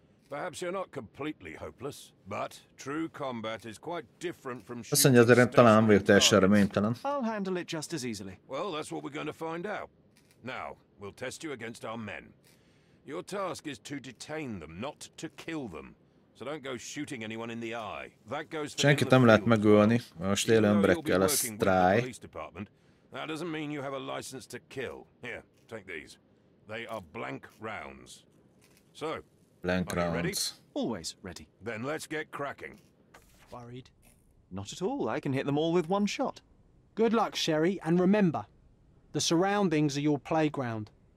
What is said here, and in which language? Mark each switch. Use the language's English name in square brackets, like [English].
[English] Perhaps you're not completely hopeless, but true combat is quite different from shooting. I'll handle it just as easily. Well, that's what we're going to find out. Now, we'll test you against our men. Your task is to detain them, not to kill them. So don't go shooting anyone in the eye. That goes for [Hungarian] senkit nem lehet megölni, most élő emberekkel lesz sztráj. [English] That doesn't mean you have a license to kill. Here, take these. They are blank rounds. So, blank rounds. Always ready. Then let's get cracking. Worried? Not at all. I can hit them all with one shot. Good luck, Sherry, and remember, the surroundings are your playground.